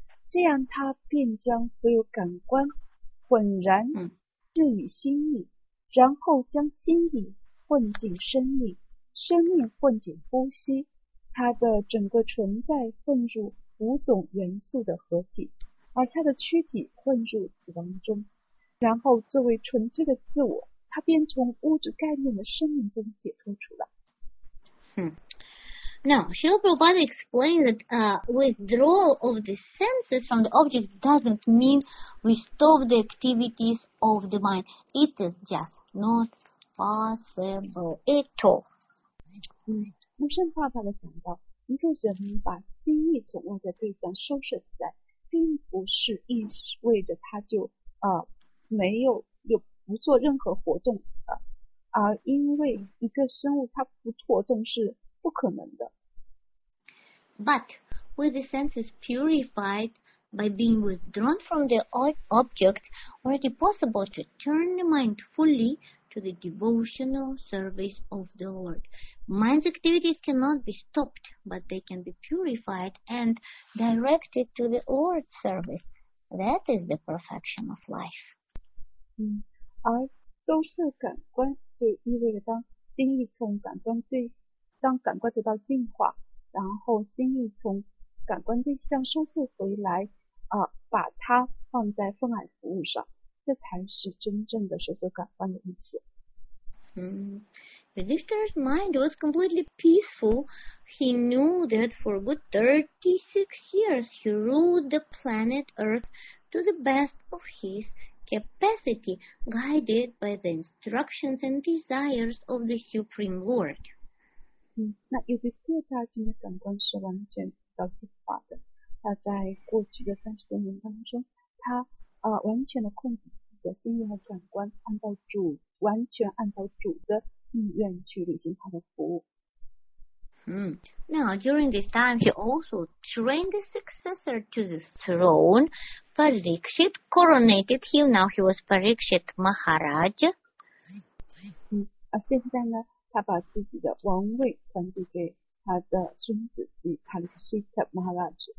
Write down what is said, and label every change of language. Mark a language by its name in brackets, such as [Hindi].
[Chinese] 这样，他便将所有感官混然置于心意，然后将心意混进生命，生命混进呼吸，他的整个存在混入五种元素的合体。而他的躯体混入死亡中，然后作为纯粹的自我，他便从物质概念的生命中解脱出来。 [English] Now, Srila Prabhupada explained that withdrawal of the senses from the object doesn't mean we stop the activities of the mind. It is just not possible at all. [Chinese] 那圣爸爸的讲到，一个人把心意从外在对象收摄起来，并不是意味着他就没有又不做任何活动的，而因为一个生物它不活动是不可能的。 [English] But with the senses purified by being withdrawn from the object, already possible to turn the mind fully to the devotional service of the Lord. Mind's activities cannot be stopped, but they can be purified and directed to the Lord's service. That is the perfection of life. [Chinese] 而收摄感官就意味着当心意从感官对当感官得到净化，然后心意从感官对象收摄回来，把它放在奉爱服务上，这才是真正的收摄感官的意思。 [English] The Lifter's mind was completely peaceful. He knew that for good 36 years he ruled the planet Earth to the best of his capacity, guided by the instructions and desires of the Supreme Lord. [Chinese] 那有些事他今天感官是完全照计划的。他在过去的30多年当中，他完全的控制自己的心灵和感官，按照主，完全按照主的意愿去履行他的服务。 [English] Now, during this time, he also trained the successor to the throne. Parikshit coronated him. Now he was Parikshit Maharaj. [Chinese] 现在呢，他把自己的王位传递给他的孙子，即 Parikshit Maharaj.